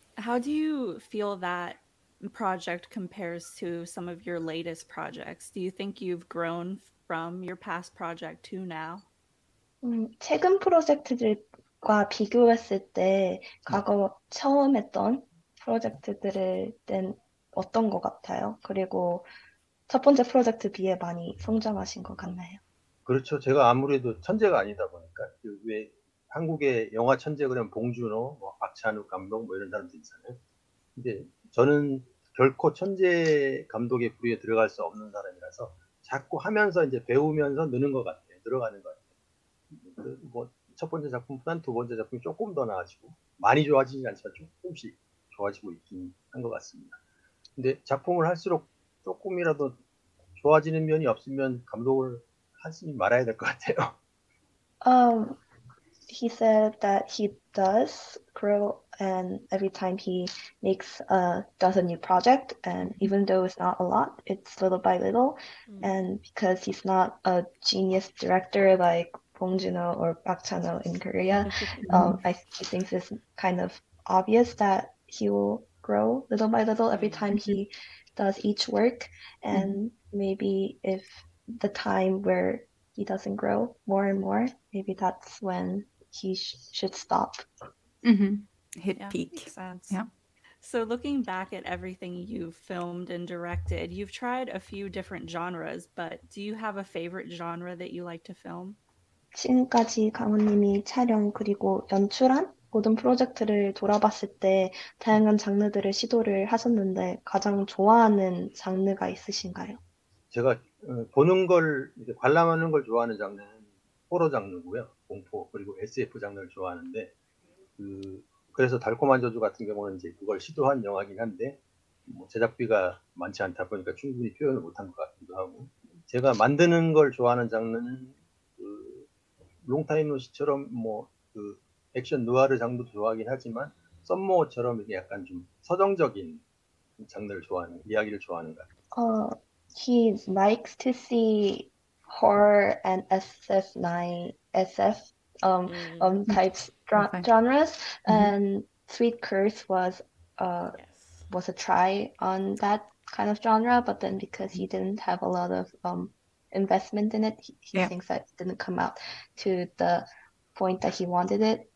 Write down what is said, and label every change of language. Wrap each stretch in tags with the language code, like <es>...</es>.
<en>How do you feel that project compares to some of your latest projects? Do you think you've grown from your past project to now?</en> <ko>최근 프로젝트들과 비교했을 때 과거 처음 했던 프로젝트들은 어떤 것 같아요? 그리고 첫 번째 프로젝트 비해 많이 성장하신 것 같나요? 그렇죠. 제가 아무래도 천재가 아니다 보니까 왜 한국의 영화 천재 그러면 봉준호, 뭐 박찬욱 감독 뭐 이런 사람들 있잖아요. 근데 저는 결코 천재 감독의 부류에 들어갈 수 없는 사람이라서 자꾸 하면서 이제 배우면서 느는 것 같아요. 늘어가는 것 같아요. 뭐 첫 번째 작품보다는 두 번째 작품이 조금 더 나아지고 많이 좋아지지 않지만 조금씩 좋아지고 있긴 한 것 같습니다. 근데 작품을 할수록 조금이라도 좋아지는 면이 없으면 감독을 하지 말아야 될 것 같아요.</ko> <en>He said that he does grow, and every time he makes a does a new project, and even though it's not a lot, it's little by little. And because he's not a genius director like Bong Joon-ho or Park Chan-ho in Korea, he thinks it's kind of obvious that he will grow little by little every time he does each work. And maybe if the time where he doesn't grow more and more, maybe that's when he should stop. Hit peak. Makes sense. So looking back at everything you've filmed and directed, you've tried a few different genres, but do you have a favorite genre that you like to film?</en> <ko>지금까지 강원님이 촬영 그리고 연출한 모든 프로젝트를 돌아봤을 때 다양한 장르들을 시도를 하셨는데 가장 좋아하는 장르가 있으신가요? 제가 보는 걸, 이제 관람하는 걸 좋아하는 장르는 호러 장르고요. 공포 그리고 SF 장르를 좋아하는데 그래서 달콤한 저주 같은 경우는 이제 그걸 시도한 영화긴 한데 뭐 제작비가 많지 않다 보니까 충분히 표현을 못한 것 같기도 하고 제가 만드는 걸 좋아하는 장르는 롱타임노시처럼 뭐 그 액션 누아르 장르도 좋아하긴 하지만 썸모어처럼 이게 약간 좀 서정적인 장르를 좋아하는 이야기를 좋아하는 것 같아요.</ko> <en>He likes to see horror and SF9 SF types genres, and Sweet Curse was a try on that kind of genre, but then because he didn't have a lot of investment in it, he thinks that it didn't come out to the point that he wanted it.</en>